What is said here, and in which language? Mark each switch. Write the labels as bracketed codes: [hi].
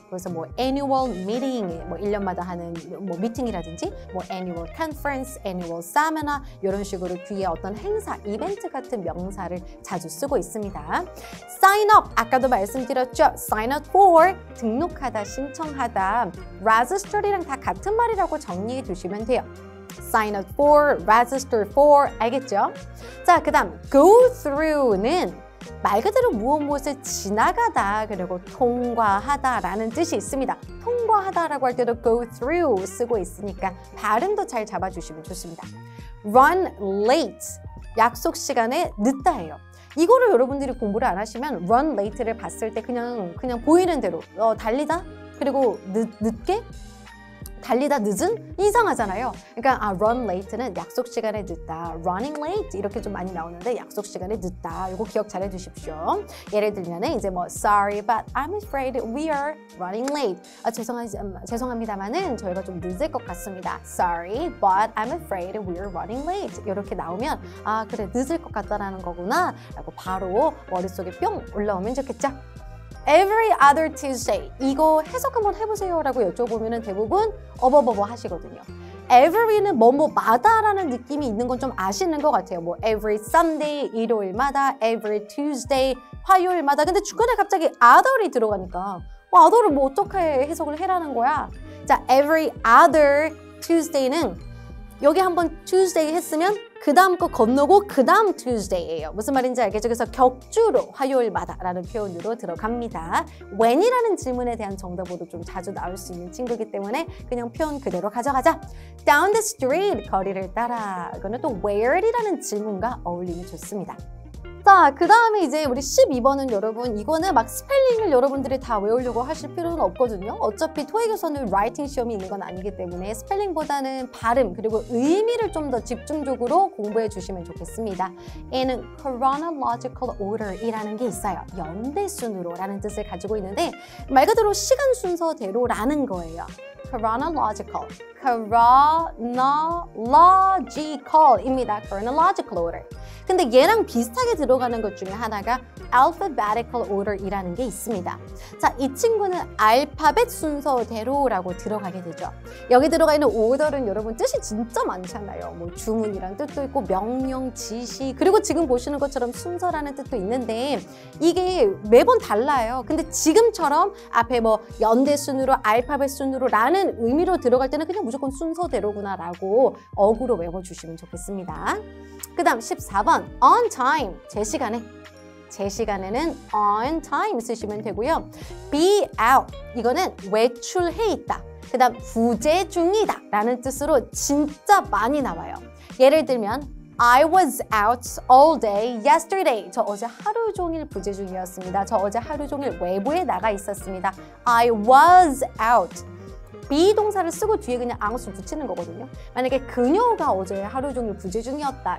[ko] 그래서 뭐 annual meeting 뭐 1년마다 하는 뭐 미팅이라든지 뭐 annual conference annual seminar 이런 식으로 뒤에 어떤 행사 이벤트 같은 명사를 자주 쓰고 있습니다. sign up 아까도 말씀드렸죠. sign up for 등록하다 신청하다 register 스토리랑 다 같은 말이라고 정리해 주시면 돼요. [en] sign up for, register for, [ko] 알겠죠? 자, 그 다음 go through는 말 그대로 무엇무엇을 지나가다 그리고 통과하다 라는 뜻이 있습니다. 통과하다 라고 할 때도 go through 쓰고 있으니까 발음도 잘 잡아주시면 좋습니다. run late, 약속 시간에 늦다예요. 이거를 여러분들이 공부를 안 하시면 run late를 봤을 때 그냥 보이는 대로 달리다? 그리고 늦게? 달리다 늦은? 이상하잖아요. 그러니까 run late는 약속 시간에 늦다. running late 이렇게 좀 많이 나오는데 약속 시간에 늦다. 이거 기억 잘 해주십시오. 예를 들면 이제 뭐 [en] sorry but I'm afraid we are running late. [ko] 아, 죄송합니다만은 저희가 좀 늦을 것 같습니다. [en] sorry but I'm afraid we are running late. [ko] 이렇게 나오면 아 그래 늦을 것 같다라는 거구나 라고 바로 머릿속에 뿅 올라오면 좋겠죠. Every other Tuesday 이거 해석 한번 해보세요 라고 여쭤보면 대부분 어버버버 하시거든요. Every는 뭐뭐마다 라는 느낌이 있는 건 좀 아시는 것 같아요. 뭐 Every Sunday 일요일마다 Every Tuesday 화요일마다 근데 중간에 갑자기 other이 들어가니까 other를 뭐 어떻게 해석을 해라는 거야. 자 Every other Tuesday는 여기 한번 Tuesday 했으면 그 다음 거 건너고 그 다음 Tuesday예요. 무슨 말인지 알겠죠? 그래서 격주로 화요일마다 라는 표현으로 들어갑니다. When이라는 질문에 대한 정답으로 좀 자주 나올 수 있는 친구이기 때문에 그냥 표현 그대로 가져가자. [en] Down the street, [ko] 거리를 따라. 이거는 또 Where이라는 질문과 어울리면 좋습니다. 자, 그 다음에 이제 우리 12번은 여러분 이거는 막 스펠링을 여러분들이 다 외우려고 하실 필요는 없거든요. 어차피 토익에서는 라이팅 시험이 있는 건 아니기 때문에 스펠링보다는 발음 그리고 의미를 좀 더 집중적으로 공부해 주시면 좋겠습니다. In chronological order 이라는 게 있어요. 연대순으로 라는 뜻을 가지고 있는데 말 그대로 시간 순서대로 라는 거예요. [en] chronological chronological [ko] 입니다. chronological order 근데 얘랑 비슷하게 들어가는 것 중에 하나가 alphabetical order 이라는 게 있습니다. 자, 이 친구는 알파벳 순서대로 라고 들어가게 되죠. 여기 들어가 있는 order은 여러분 뜻이 진짜 많잖아요. 뭐 주문이란 뜻도 있고 명령, 지시 그리고 지금 보시는 것처럼 순서라는 뜻도 있는데 이게 매번 달라요. 근데 지금처럼 앞에 뭐 연대순으로 알파벳 순으로 라는 의미로 들어갈 때는 그냥 무조건 순서대로구나 라고 어구로 외워주시면 좋겠습니다. 그 다음 14번 on time 제 시간에 제 시간에는 on time 쓰시면 되고요. be out 이거는 외출해 있다. 그 다음 부재 중이다 라는 뜻으로 진짜 많이 나와요. 예를 들면 [en] I was out all day yesterday. [ko] 저 어제 하루 종일 부재 중이었습니다. 저 어제 하루 종일 외부에 나가 있었습니다. [en] I was out. [ko] be 동사를 쓰고 뒤에 그냥 앙수를 붙이는 거거든요. 만약에 그녀가 어제 하루 종일 부재 중이었다.